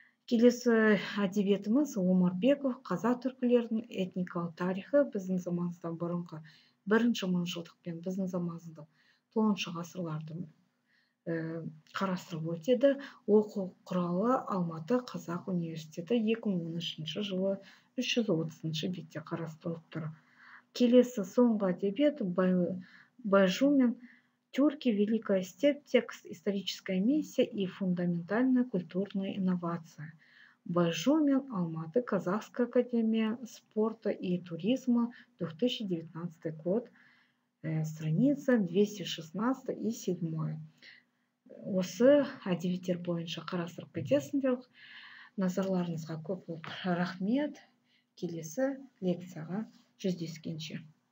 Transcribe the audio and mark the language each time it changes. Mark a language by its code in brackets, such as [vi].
[kk] Келесі әдебиетіміз Омар Беков «Қаза түркілердің этникал тарихы» біздің замансыдан бұрынғы 1-ші мыңжылдықпен біздің замансыдан 10-ші ғасырлардың қарастырып өтеді. Оқу құралы Алматы Қазақ университеті 2013 жылы 330 бетте қарастырылып тұр. Келесі соңғы әдебиет Байжумен «Тюрки. [ru] Великая степь. Текст. Историческая миссия и фундаментальная культурная инновация». Байжумен, Алматы, Казахская академия спорта и туризма, 2019 год, страница 216-7. [kk] Осы әдебиеттер бойынша қарастырып кетесіңдер. Назарларыңызға көп рахмет. Келесі лекцияға жүздескенше.